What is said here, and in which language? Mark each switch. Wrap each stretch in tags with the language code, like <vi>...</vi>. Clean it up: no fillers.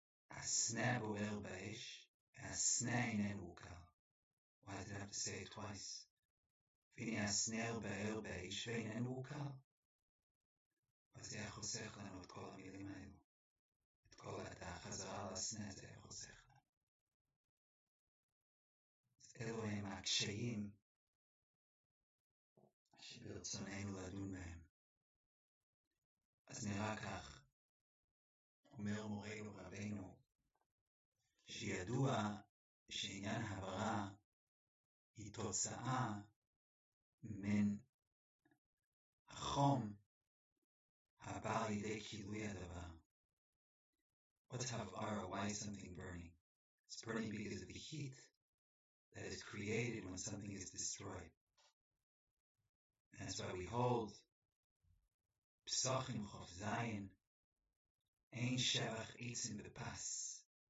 <he>הסנה בוער באש, והסנה איננו קל.</he> <en>Why did I have to say it twice?</en> <he>והנה הסנה בוער באש, ואיננו קל. אז זה היה חוסך לנו את כל המילים האלו. את כל החזרה על הסנה, זה היה חוסך. אלו הם הקשיים שברצוננו לדון בהם. אז נראה כך, אומר מורנו רבנו, שידוע שעניין הברה היא תוצאה מן החום הבא על ידי כילוי הדבר.</he> <en>What's הברה? Why is something burning? It's burning because of the heat that is created when something is destroyed. That's why we hold Psachim Chof Zion, Ein Shevach Eitzim B'Pas.</en>